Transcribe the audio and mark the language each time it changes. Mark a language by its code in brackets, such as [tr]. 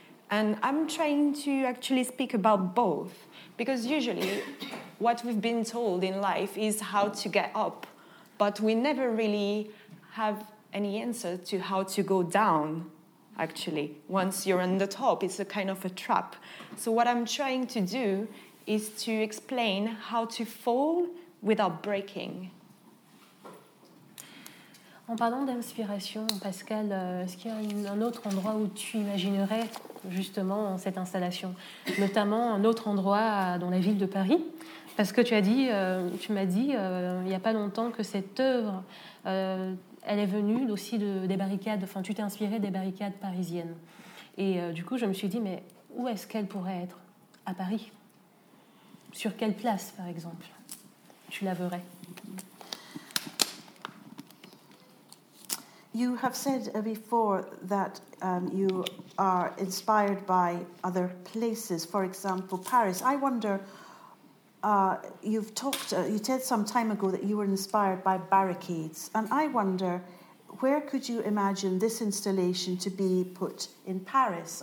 [en] And I'm trying to actually speak about both, because usually what we've been told in life is how to get up, but we never really have any answer to how to go down, actually. Once you're on the top, it's a kind of a trap. So what I'm trying to do is to explain how to fall without breaking. [fr] En parlant d'inspiration, Pascal, est-ce qu'il y a un autre endroit où tu imaginerais justement cette installation, notamment un autre endroit dans la ville de Paris? Parce que tu m'as dit il n'y a pas longtemps que cette œuvre, elle est venue aussi des barricades, enfin tu t'es inspiré des barricades parisiennes. Et du coup, je me suis dit, mais où est-ce qu'elle pourrait être? À Paris? Sur quelle place, par exemple, tu la verrais? [en] You have said before that you are inspired by other places, for example, Paris. I wonder, you said some time ago that you were inspired by barricades, and I wonder, where could you imagine this installation to be put in Paris?